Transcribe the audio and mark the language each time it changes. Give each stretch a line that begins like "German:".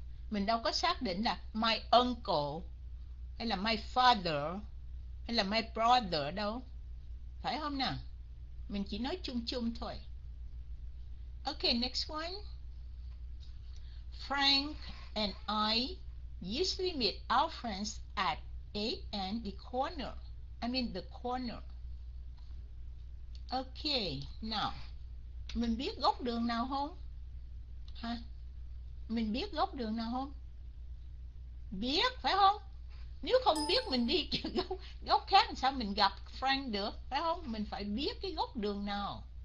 Vietnamese: Mình đâu có xác định là
English: my uncle
Vietnamese: hay là
English: my father
Vietnamese: hay là
English: my brother
Vietnamese: đâu. Phải không nào? Mình chỉ nói chung chung thôi.
English: Okay, next one. Frank and I usually meet our friends at A and the corner. I mean the corner. Okay, now.
Vietnamese: Mình biết góc đường nào không? Hả? Mình biết góc đường nào không? Biết, phải không? Nếu không biết mình đi góc khác sao mình gặp Frank được, phải không? Mình phải biết cái góc đường nào.